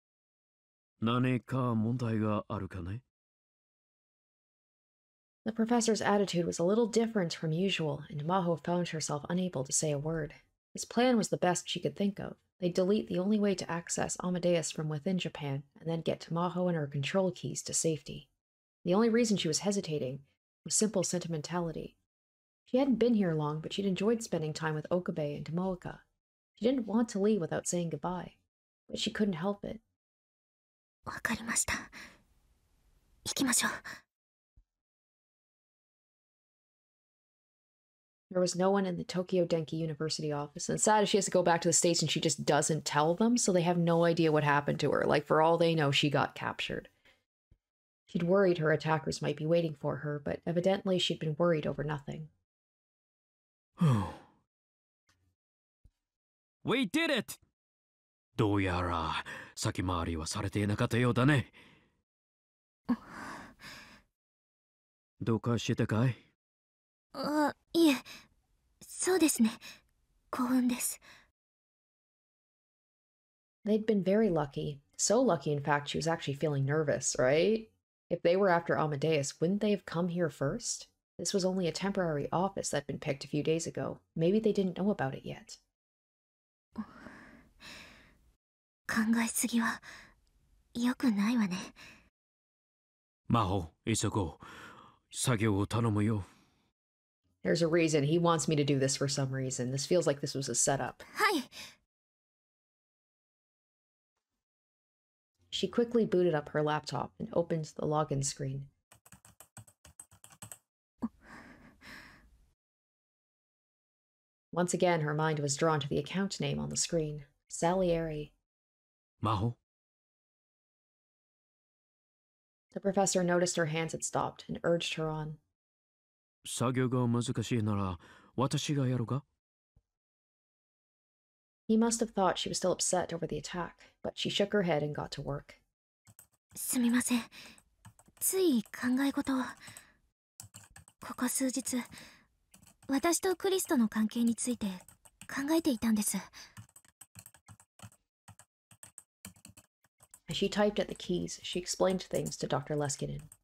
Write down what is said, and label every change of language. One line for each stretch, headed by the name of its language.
Japanese: 大学のネットワークストレージ上に残っているエメデウスへの接続プログラムを消去する。それが終わり次第、ステートへ帰ろう。君を保護してもらう。それで連中は手も足も出ないはずさ。でも、何か問題があるかね?
English: The professor's attitude was a little different from usual, and Maho found herself unable to say a word. His plan was the best she could think of. They'd delete the only way to access Amadeus from within Japan, and then get to Maho and her control keys to safety. The only reason she was hesitating was simple sentimentality. She hadn't been here long, but she'd enjoyed spending time with Okabe and Tomoaka. She didn't want to leave without saying goodbye, but she couldn't help it.
Japanese: わかりました。行きましょう。
English: There was no one in the Tokyo Denki University office, and sad if she has to go back to the States and she just doesn't tell them, so they have no idea what happened to her. Like, for all they know, she got captured. She'd worried her attackers might be waiting for her, but evidently she'd been worried over nothing. We did it!
Japanese: どうやら先回りはされていなかったようだね。どうかしてたかい？あ、いえ、そうですね。幸運です。
English: They'd been very lucky. So lucky, in fact, she was actually feeling nervous, right? If they were after Amadeus, wouldn't they have come here first? This was only a temporary office that had been picked a few days ago. Maybe they didn't know about it yet.
Japanese: 考えすぎは良くないわね。真帆、急ごう。作業を頼むよ。
English: There's a reason. He wants me to do this for some reason. This feels like this was a setup.
Japanese: はい。
English: She quickly booted up her laptop and opened the login screen. Once again, her mind was drawn to the account name on the screen. Salieri. Maho? The professor noticed her hands had stopped and urged her on.
Japanese: 作業が難しいなら、私がやろうか?
English: He must have thought she was still upset over the attack, but she shook her head and got to work.
Japanese: すみません。つい考え事を。ここ数日、私とクリスとの関係について考えていたんです。
English: As she typed at the keys, she explained things to Dr. Leskinen.